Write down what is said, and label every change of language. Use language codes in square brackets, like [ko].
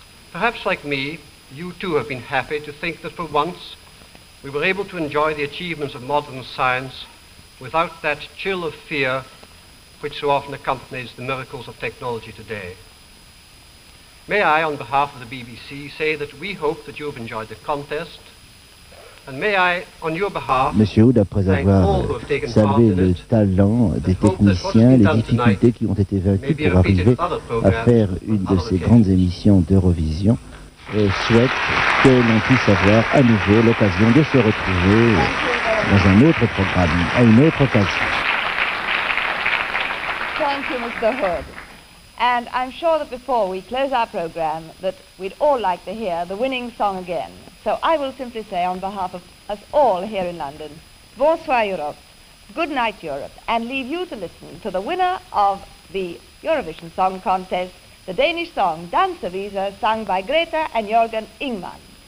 [en] Perhaps like me, you too have been happy to think that for once we were able to enjoy the achievements of modern science without that chill of fear which so often accompanies the miracles of technology today. May I, on behalf of the BBC, say that we hope that you have enjoyed the contest, and may I, on your behalf, [fr] Monsieur, d'après avoir salué le talent des techniciens, les difficultés qui ont été vaincues pour arriver à faire une de ces grandes émissions d'Eurovision, souhaite que l'on puisse avoir à nouveau l'occasion de se retrouver dans un autre programme, à une autre occasion. [en] Thank you, Mr. Hood. And I'm sure that before we close our program, that we'd all like to hear the winning song again. So I will simply say on behalf of us all here in London, [fr] Bonsoir Europe, [en] good night Europe, and leave you to listen to the winner of the Eurovision Song Contest, the Danish song Dansevise, sung by Grethe and Jørgen Ingmann.